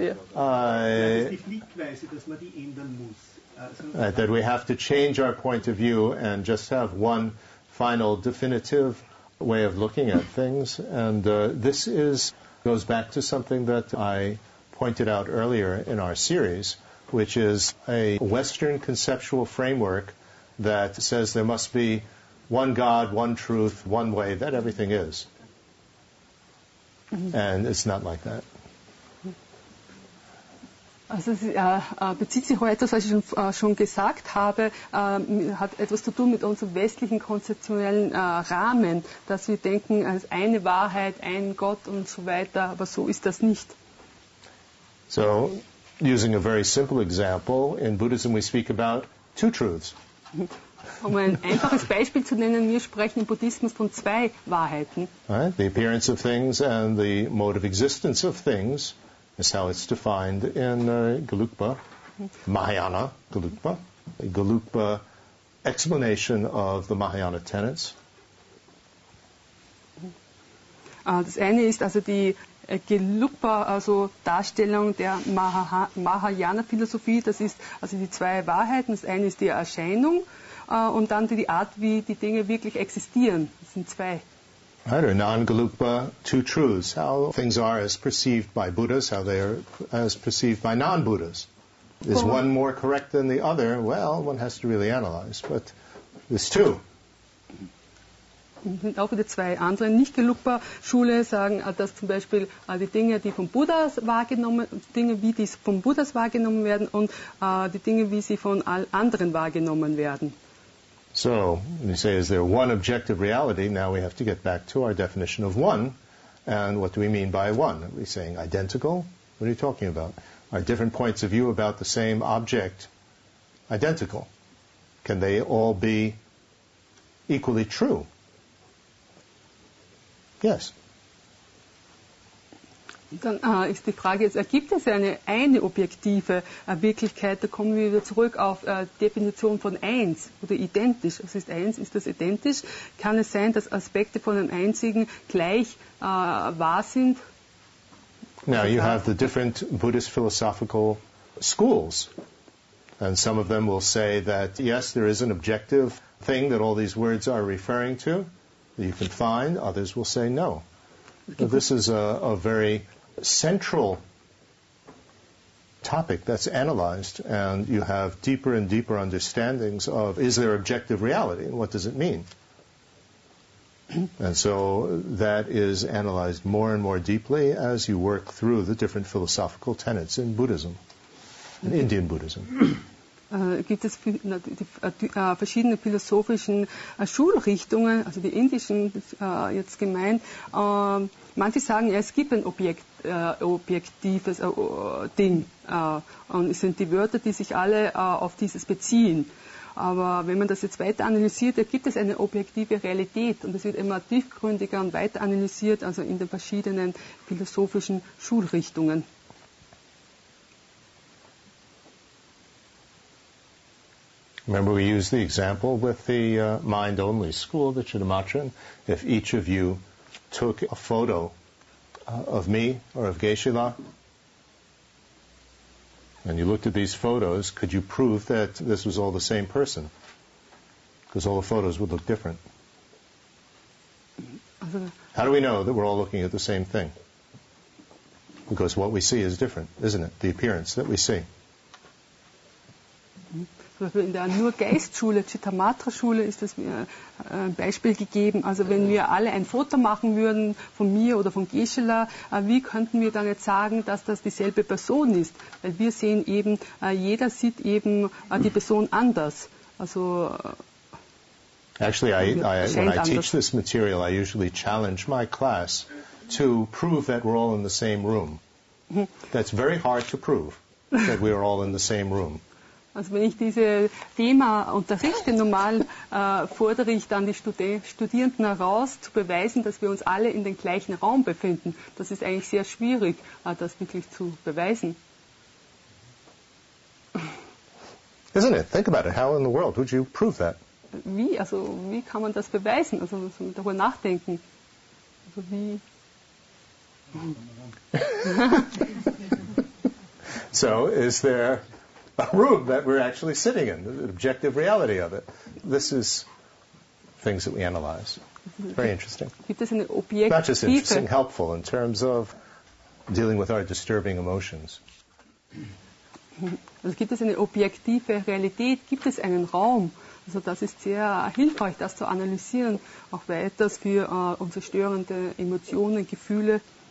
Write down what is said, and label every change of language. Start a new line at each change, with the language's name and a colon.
German: Ja, das ist die Blickweise, dass man die ändern muss.
English: Right, that we have to change our point of view and just have one final definitive way of looking at things. And this goes back to something that I pointed out earlier in our series, which is a Western conceptual framework that says there must be one God, one truth, one way that everything is. Mm-hmm. And it's not like that.
German: Also es bezieht sich heute, was ich schon gesagt habe, hat etwas zu tun mit unserem westlichen konzeptionellen Rahmen, dass wir denken, als eine Wahrheit, ein Gott und so weiter, aber so ist das nicht.
English: So, using a very simple example, in Buddhism we speak about two truths.
German: Um ein einfaches Beispiel zu nennen, wir sprechen im Buddhismus von zwei Wahrheiten.
English: Right? The appearance of things and the mode of existence of things. Is how it's defined in Gelugpa, Mahayana Gelugpa, a Gelugpa explanation of the Mahayana tenets.
German: Das eine ist also die Gelugpa, also Darstellung der Mahayana Philosophie. Das ist also die zwei Wahrheiten. Das eine ist die Erscheinung und dann die Art, wie die Dinge wirklich existieren. Das sind zwei.
English: Right, or non-galupa, two truths, how things are as perceived by Buddhas, how they are as perceived by non-Buddhas. Is one more correct than the other? Well, one has to really analyze, but there's two.
German: Und auch wieder zwei andere Nicht-Gelugpa-Schule sagen, dass zum Beispiel die Dinge, die von Buddhas wahrgenommen, Dinge, wie die von Buddhas wahrgenommen werden und die Dinge, wie sie von allen anderen wahrgenommen werden.
English: So, you say, is there one objective reality? Now we have to get back to our definition of one. And what do we mean by one? Are we saying identical? What are you talking about? Are different points of view about the same object identical? Can they all be equally true? Yes.
German: Dann ist die Frage jetzt, ergibt es eine objektive Wirklichkeit? Da kommen wir wieder zurück auf Definition von eins oder identisch. Was ist eins? Ist das identisch? Kann es sein, dass Aspekte von einem einzigen gleich wahr sind?
English: Now you have the different Buddhist philosophical schools. And some of them will say that, yes, there is an objective thing that all these words are referring to, that you can find. Others will say no. So this is a very central topic that's analyzed, and you have deeper and deeper understandings of, is there objective reality? What does it mean? And so that is analyzed more and more deeply as you work through the different philosophical tenets in Buddhism, in Indian Buddhism.
German: Gibt es verschiedene philosophischen Schulrichtungen, also die indischen jetzt gemeint. Manche sagen, ja, es gibt ein objektives Ding und es sind die Wörter, die sich alle auf dieses beziehen. Aber wenn man das jetzt weiter analysiert, gibt es eine objektive Realität und es wird immer tiefgründiger und weiter analysiert, also in den verschiedenen philosophischen Schulrichtungen.
English: Remember we used the example with the mind-only school, the Chittamatran. If each of you took a photo of me or of Geshe-la, and you looked at these photos, could you prove that this was all the same person? Because all the photos would look different. How do we know that we're all looking at the same thing? Because what we see is different, isn't it? The appearance that we see.
German: In der Nur-Geist-Schule, Chittamatra-Schule, ist das mir ein Beispiel gegeben. Also wenn wir alle ein Foto machen würden von mir oder von Geshe-la, wie könnten wir dann jetzt sagen, dass das dieselbe Person ist? Weil wir sehen eben, jeder sieht eben die Person anders.
English: Also actually, when I teach this material, I usually challenge my class to prove that we're all in the same room. That's very hard to prove, that we are all in the same room.
German: Also wenn ich dieses Thema unterrichte, normal fordere ich dann die Studierenden heraus, zu beweisen, dass wir uns alle in den gleichen Raum befinden. Das ist eigentlich sehr schwierig, das wirklich zu beweisen.
English: Isn't it? Think about it. How in the world would you prove that?
German: Wie? Also wie kann man das beweisen? Also muss man darüber nachdenken. Also wie?
English: So, is there a room that we're actually sitting in, the objective reality of it. This is things that we analyze. Very interesting.
German: Gibt es eine Objekt-
English: Not just interesting, helpful in terms of dealing with our disturbing emotions.
German: Also gibt es eine objektive Realität? Gibt es einen Raum? Also das ist sehr hilfreich, das zu analysieren, auch weiters für unsere störenden Emotionen, Gefühle.